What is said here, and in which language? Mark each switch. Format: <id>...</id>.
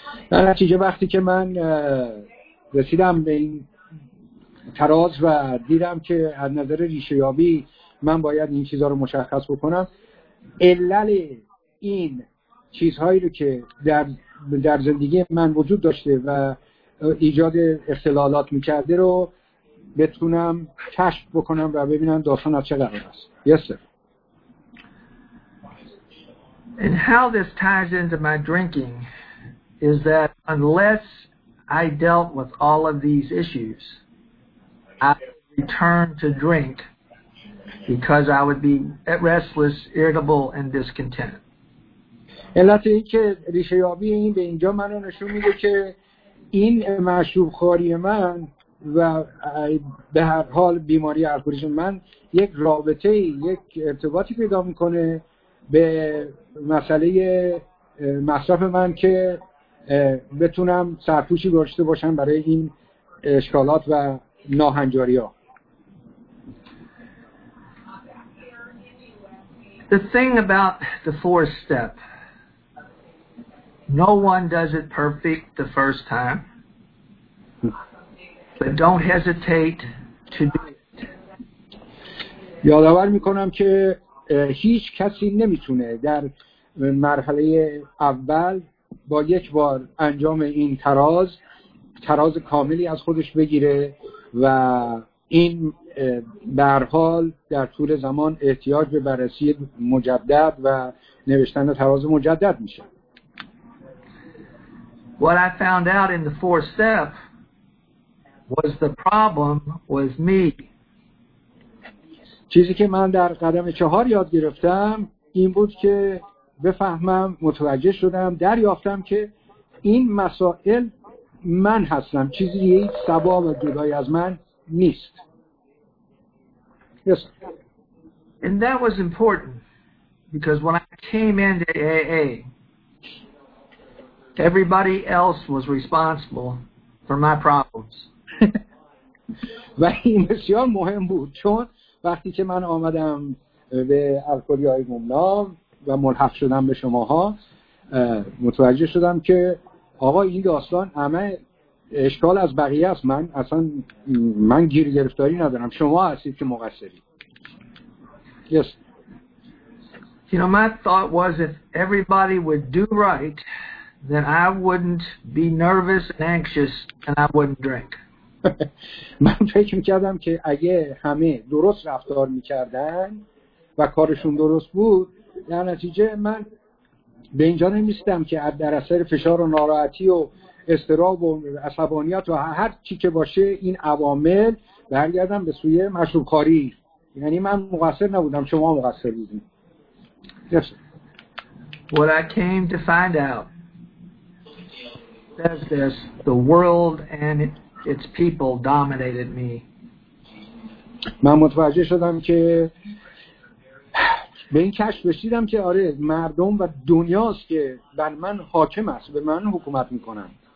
<fa>در نتیجه وقتی که من رسیدم به این تراز و دیدم که از نظر ریشه‌یابی من باید این چیزها رو مشخص بکنم، علل این چیزهایی رو که در زندگی من وجود داشته و ایجاد اختلالات می‌کرده رو بتونم کشف بکنم و ببینم داستان از چه قرار است.</fa> <en>Yes, sir. And how this ties into my drinking is that unless I dealt with all of these issues, I would return to drink because I would be restless, irritable, and discontent.</en> <fa>علت این که ریشه‌یابی این به اینجا منو نشون میده که این مشروب‌خواری من و به هر حال بیماری الکلیسم من یک رابطه، یک ارتباطی پیدا میکنه به مسئله مصرف من که بتونم سرپوشی داشته باشم برای این اشکالات و ناهنجاری ها.</fa> <en>The thing about the fourth step, no one does it perfect the first time. But don't hesitate to do it.</en> <fa>یادآور میکنم که هیچ کسی نمیتونه در مرحله اول با یک بار انجام این تراز کاملی از خودش بگیره و این به هر حال در طول زمان احتیاج به بررسی مجدد و نوشتن تراز مجدد میشه.</fa> <en>What I found out in the fourth step was the problem was me.</en> <fa>چیزی که من در قدم چهار یاد گرفتم این بود که بفهمم، متوجه شدم، دریافتم که این مسائل من هستم، چیزی یک سبا و جدای از من نیست.</fa> <en>Yes. And that was important because when I came into AA, everybody else was responsible for my problems.</en> <fa>و این بسیار مهم بود چون وقتی که من آمدم به الکلی‌های گمنام و ملحق شدم به شماها، متوجه شدم که آقا این داستان همه اشکال از بقیه است، من اصلا من گیر گرفتاری ندارم، شما هستید که مقصرید.</fa> <en>Yes. You know, my thought was if everybody would do right, then I wouldn't be nervous and anxious and I wouldn't drink.</en> <fa>من فکر میکردم که اگه همه درست رفتار میکردن و کارشون درست بود، در نتیجه من به اینجا نمیستم که در اثر فشار و ناراحتی و استراب و عصبانیت و هر چی که باشه این عوامل برگردم به سوی مشروب خاری. یعنی من مقصر نبودم، شما مقصر بودیم.</fa> <en>Yes. What I came to find out says this: the world and its people dominated me.</en> <fa>من متوجه شدم که به این کشف رسیدم که آره، مردم و دنیاست که بر من حاکم است، به من حکومت میکنند.</fa>